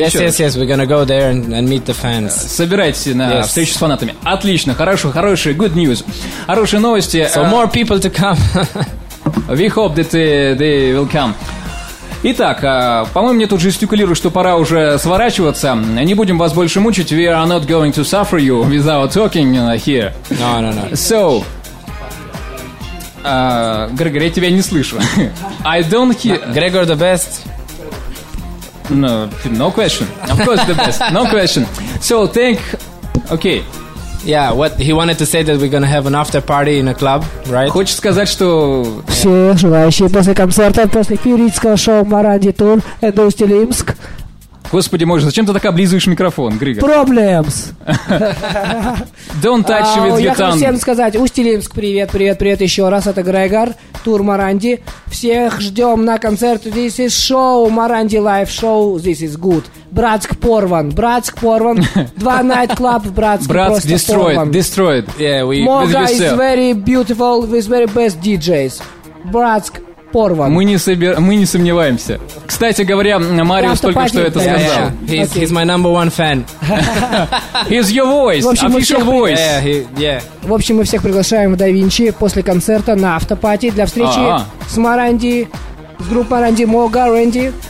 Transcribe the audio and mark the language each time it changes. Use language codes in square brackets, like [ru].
[en] Yes, we're gonna go there and meet the fans. [ru] Собирайтесь на встречу с фанатами. Отлично, хорошо, хорошие, [en] good news. [ru] Хорошие новости. [en] So more people to come. We hope that they will come. [ru] Итак, по-моему, мне тут жестикулируют, что пора уже сворачиваться. Не будем вас больше мучить. [en] We are not going to suffer you without talking here. No. [ru] So... Грегор, я тебя не слышу. [en] I don't hear... Грегор, the best? No question. Of course the best. No question. So, thank... Okay. Yeah, what he wanted to say that we're gonna have an after party in a club, right? [ru] Хочешь сказать, что... Все желающие после концерта, после фееричного шоу Маранди Тур, это Усть-Илимск. Господи, мой же, зачем ты так облизываешь микрофон, Григор? [en] Problems. Don't touch with your tongue. [ru] Я хочу всем сказать, Усть-Илимск, привет еще раз, это Грегор, тур Маранди. Всех ждем на концерт, [en] this is show, [ru] Маранди Live Show, [en] this is good. [ru] Братск порван. Два найт-клаб в Братске. [en] Братск destroyed. Yeah, we Moga is very beautiful, with very best DJs. [ru] Братск порван. Мы не сомневаемся. Кстати говоря, Мариус только что это сказал. [en] He's my number one fan. He's your voice. Official voice. Yeah. [ru] В общем, мы всех приглашаем в Давинчи после концерта на автопати для встречи с Маранди, с группой Маранди Мога, Рэнди.